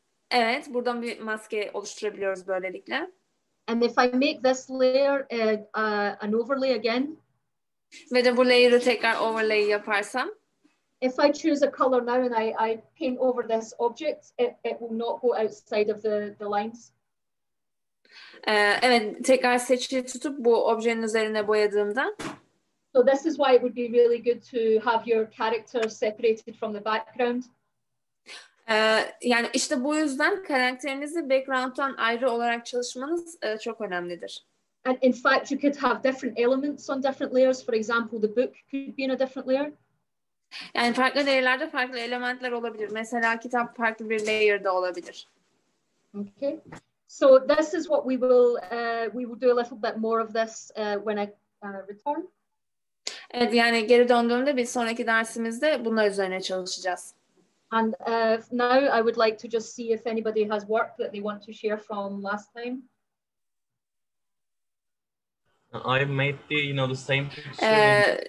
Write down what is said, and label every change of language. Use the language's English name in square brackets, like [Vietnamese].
[Turkish] Evet, buradan bir maske oluşturabiliyoruz böylelikle. [English] And if I make this layer an overlay again. [Turkish] Ve de bu layer'ı tekrar overlay yaparsam. [English] If I choose a color now and I paint over this object, it will not go outside of the lines. [Turkish] Evet, tekrar seçili tutup bu objenin üzerine boyadığımda. [English] So this is why it would be really good to have your character separated from the background. [Turkish] Yani işte bu yüzden karakterinizi background'dan ayrı olarak çalışmanız çok önemlidir. [English] And in fact, you could have different elements on different layers. For example, the book could be in a different layer. [Turkish] Yani farklı değerlerde farklı elementler olabilir. Mesela kitap farklı bir layer'da olabilir. [English] Okay. So this is what we will do a little bit more of this when I return. [Turkish] Evet, yani geri döndüğümde bir sonraki dersimizde bunlar üzerine çalışacağız. [English] And now I would like to just see if anybody has work that they want to share from last time. I made the, you know, the same picture.